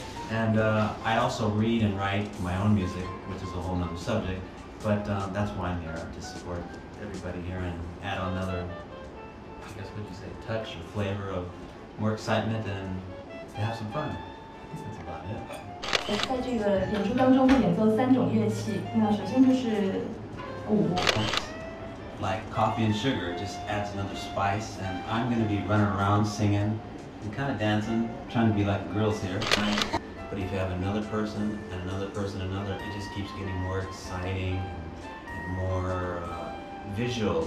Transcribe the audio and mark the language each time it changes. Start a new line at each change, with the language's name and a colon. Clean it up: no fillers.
English: And I also read and write my own music, which is a whole nother subject, but that's why I'm here, to support everybody here and add another, I guess what you say, touch or flavor of more excitement and to have some fun. I guess that's about it.
Chinese: 在这个演出当中会演奏三种乐器，那首先就是鼓。
English: Like coffee and sugar just adds another spice, and I'm gonna be running around singing and kind of dancing, trying to be like the girls here. But if you have another person and another person, another, it just keeps getting more exciting and more visual.